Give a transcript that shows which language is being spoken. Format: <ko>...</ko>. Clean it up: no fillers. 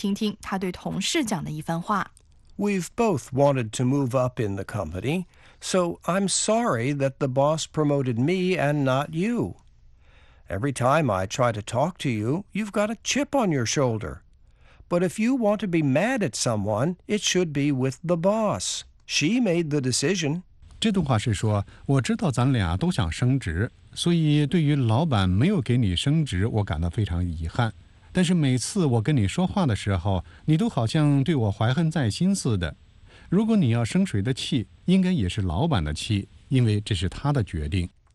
<zh>大家都希望有个好的工作环境，这对每个人也确实非常重要。但是同事之间难免存在竞争，就像下面这个人，他在竞争中胜出了，可是还有什么可为难的呢？我们来听听他对同事讲的一番话。We've</zh> <en>both wanted to move up in the company, so I'm sorry that the boss promoted me and not you. Every time I try to talk to you, you've got a chip on your shoulder. But if you want to be mad at someone, it should be with the boss. She made the decision.</en> <zh>这段话是说，我知道咱俩都想升职，所以对于老板没有给你升职，我感到非常遗憾。但是每次我跟你说话的时候，你都好像对我怀恨在心似的。如果你要生谁的气，应该也是老板的气，因为这是他的决定。</zh>